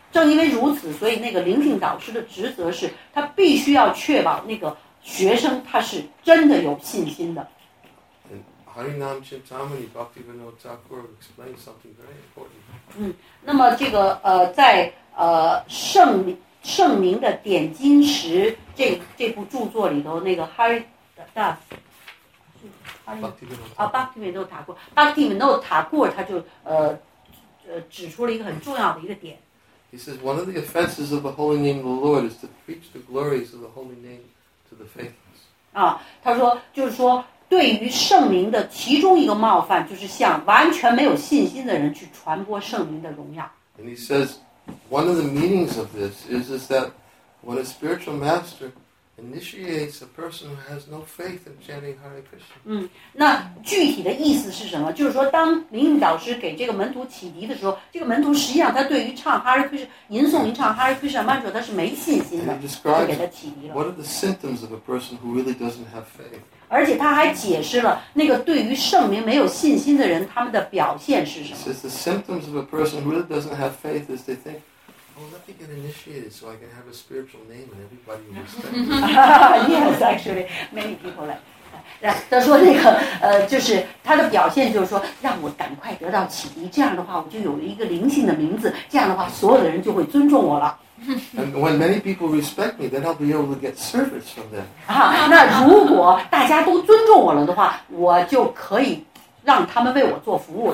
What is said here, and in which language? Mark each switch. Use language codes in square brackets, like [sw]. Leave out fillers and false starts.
[zh] 正因为如此，所以那个灵性导师的职责是，他必须要确保那个学生他是真的有信心的。 [en] Harinam Chintamani Bhaktivinoda Thakur explains something very important. [zh] 那么这个在圣明的点金石这部著作里头，那个 Bhaktivinoda Thakur 他就指出了一个很重要的一个点。 [en] He says, one of the offenses of the holy name of the Lord is to preach the glories of the holy name to the faithless. [zh] 啊，他说，就是说，对于圣灵的其中一个冒犯，就是向完全没有信心的人去传播圣灵的荣耀。 [en] And he says, one of the meanings of this is that when a spiritual master initiates a person who has no faith in chanting Hare Krishna. [zh] 嗯，那具体的意思是什么？就是说，当灵运导师给这个门徒启迪的时候，这个门徒实际上他对于唱 Hare Krishna 吟诵、吟唱 Hare Krishna mantra 他是没信心的，就给他启迪了。 [en] What are the symptoms of a person who really doesn't have faith? [zh] 而且他还解释了那个对于圣灵没有信心的人他们的表现是什么。 [en] Says the symptoms of a person who really doesn't have faith is they think. Oh, let me get initiated so I can have a spiritual name and everybody will respect me. Yes, actually, many people like. [zh] 他说那个就是他的表现就是说让我赶快得到启迪，这样的话我就有了一个灵性的名字，这样的话所有的人就会尊重我了。 [en] And when many people respect me, then I'll be able to get service from them. [zh] 那如果大家都尊重我了的话，我就可以让他们为我做服务。